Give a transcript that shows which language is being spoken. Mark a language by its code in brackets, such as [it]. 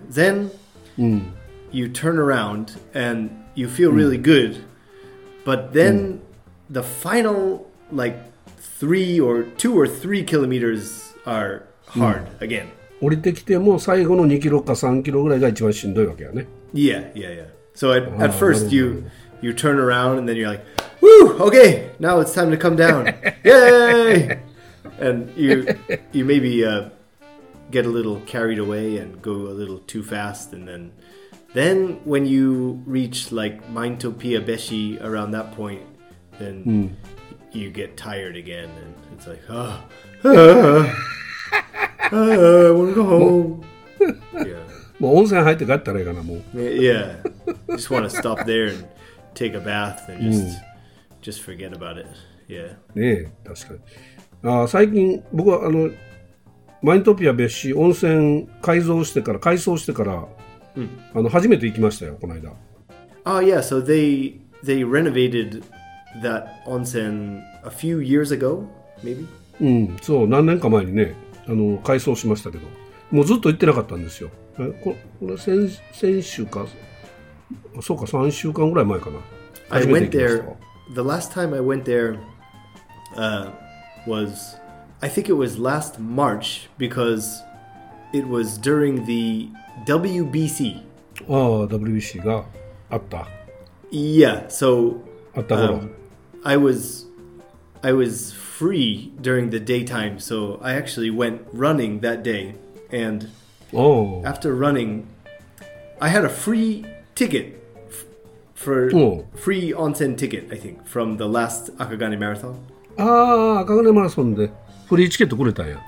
[en] Then you turn around and you feel really good. But then the final like 3 or 2 or 3 kilometers are hard again. [ja] 降りてきても最後の2キロか3キロぐらいが一番しんどいわけやね。 [en] Yeah, yeah, yeah. So at first you turn around and then you're like, Woo! Okay! Now it's time to come down. Yay! And you maybe get a little carried away and go a little too fast. And then when you reach like Maintopia Beshi around that point, then you get tired again. And it's like, I want to go home. [ja] もう温泉入って帰ったらいいかな、もう。 [en] Yeah. Just want to stop there and take a bath and just forget about it. Yeah. [ja] ねえ、確かに。あ最近僕はマイントピア別紙温泉改造してから改装してから、初めて行きましたよこの間。 [en] Oh, yeah, so they renovated that onsen a few years ago, maybe? [ja] そう何年か前にね改装しましたけどもうずっと行ってなかったんですよ。これ先週かそうか3週間ぐらい前かな。 [en] I went there, the last time I went there, was I think it was last March because it was during the WBC. [ja] Oh, WBC があった。 [en] Yeah, so [ja] あった頃。 [en] I was free during the daytime, so I actually went running that day. And after running, I had a free ticket free onsen ticket, I think, from the last Akagane Marathon. [ja] ああ、赤金マラソンでフリーチケットくれたんや。